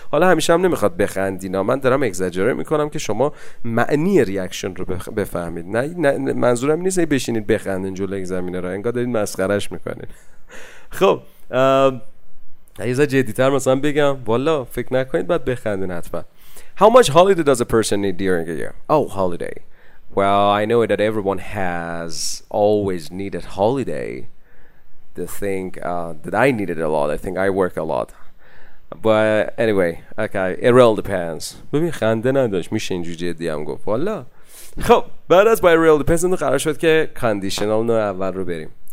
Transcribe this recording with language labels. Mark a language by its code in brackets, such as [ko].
[fa] حالا همیشه هم نمیخواد بخندی، نه من دارم اگزاجره میکنم که شما معنی ریاکشن رو بفهمید. نه منظورم نیست بشینید بخندین جلو اگزامینر را، انگار دارید مسخرهش میکنید. خب عیزا جدیتر مثلا بگم، والا فکر نکنید باید بخندین حتما. [en] How much holiday does a person need during a year? Oh, holiday. Well, I know that everyone has always needed holiday. The thing that I needed a lot, I think I work a lot. But anyway, okay, it really depends. [fa] ببین خنده نداشت، میشه اینجوری جدی هم گفت والا. خب بعد از [en] by real depends [fa] اون قرار شد که conditional نوع اول رو بریم.